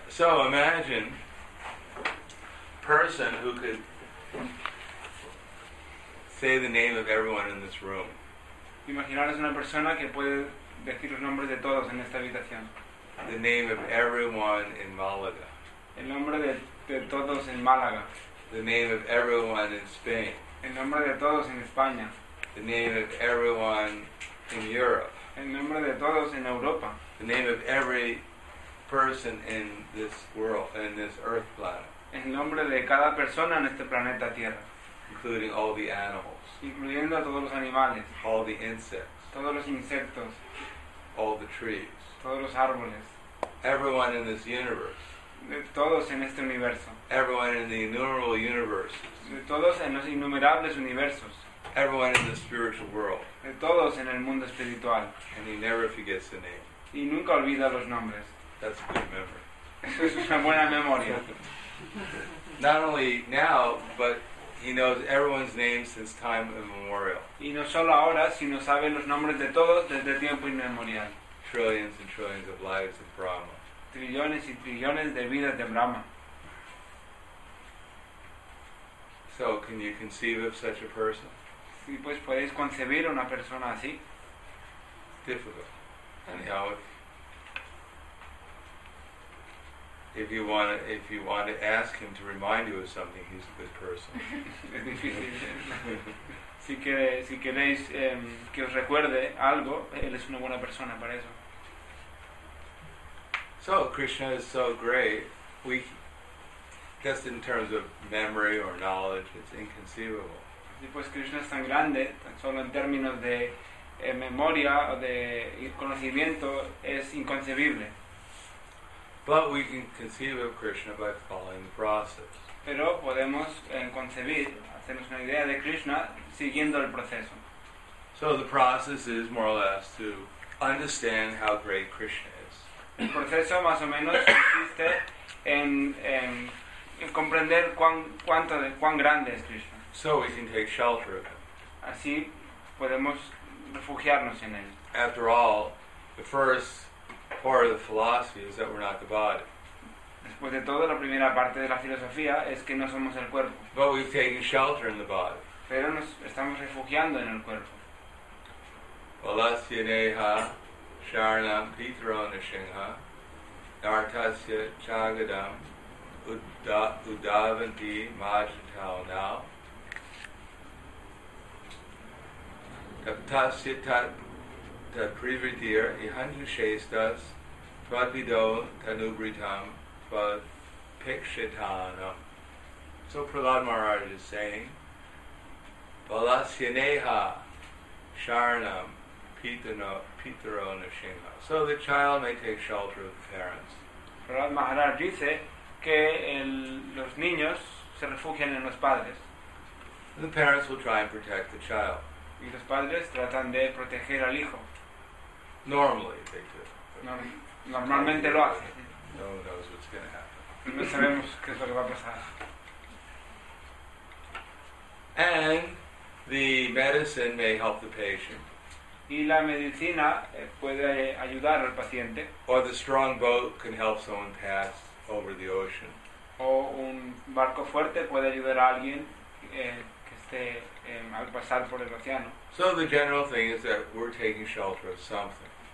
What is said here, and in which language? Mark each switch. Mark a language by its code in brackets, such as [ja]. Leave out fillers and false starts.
[en] So imagine a person who could say the name of everyone in this room. [es] Imaginaros una persona que puede decir los nombres de todos en esta habitación. [en] The name of everyone in Malaga. [es] El nombre de todos en Málaga. [en] The name of everyone in Spain. [es] El nombre de todos en España. [en] The name of everyone in Europe. [es] El nombre de todos en Europa. [en] The name of every person in this world, in this earth planet. [es] El nombre de cada persona en este planeta Tierra. [en] Including all the animals. [es] Incluyendo a todos los animales. [en] All the insects. [es] Todos los insectos. [en] All the trees. [es] Todos los árboles. [en] Everyone in this universe. [es] De todos en este universo. [en] Everyone in the innumerable universes. [es] De todos en los innumerables universos. [en] Everyone in the spiritual world. [es] De todos en el mundo espiritual. [en] And he never forgets the name. [es] Y nunca olvida los nombres. [en] That's a good memory. [es] Eso es una buena memoria. [en] Not only now, but he knows everyone's name since time immemorial. [es] Y no solo ahora, sino sabe los nombres de todos desde tiempo inmemorial. [en] Trillions and trillions of lives of Brahma. [es] Trillones y trillones de vidas de Brahma. [en] So, can you conceive of such a person? [es] Sí, pues podéis concebir una persona así. [en] Difficult. Anyhow, if you want to ask him to remind you of something, he's a good person. [es] Si queréis que os recuerde algo, él es una buena persona para eso. [en] So Krishna is so great. We just in terms of memory or knowledge, it's inconceivable. [es] Y pues Krishna es tan grande, tan solo en términos de memoria o de conocimiento es inconcebible. [en] But we can conceive of Krishna by following the process. [es] Pero podemos concebir, hacernos una idea de Krishna siguiendo el proceso. [en] So the process is more or less to understand how great Krishna is. [es] El proceso más o menos consiste en comprender cuán grande es Krishna. [en] So we can take shelter of him. [es] Así podemos refugiarnos en él. [en] After all, the first part of the philosophy is that we're not the body. [es] Después de todo, la primera parte de la filosofía es que no somos el cuerpo. [en] But we've taken shelter in the body. [es] Pero nos estamos refugiando en el cuerpo. [sa] Valasya neha sharanam pitro nishinha nartasya chagadam udavanti majitao now taptasya tatprivritir ihanju shestas tvadvido tanubritam tvadpikshitanam. [en] So Prahlad Maharaj is saying, [sa] Valasya neha sharanam pitaro nishinha. [en] So the child may take shelter of the parents. [es] Prahlad Maharaj dice que los niños se refugian en los padres. [en] And the parents will try and protect the child. [es] Y los padres tratan de proteger al hijo. [en] Normally they do. [es] Normalmente lo hacen. [en] No one knows what's going to happen. [es] No sabemos qué es lo que va a pasar. [en] And the medicine may help the patient. [es] Y la medicina puede ayudar al paciente. [en] Or the strong boat can help someone pass over the ocean. [es] O un barco fuerte puede ayudar a alguien que esté al pasar por el océano. [en] So the general thing is that we're taking shelter of something.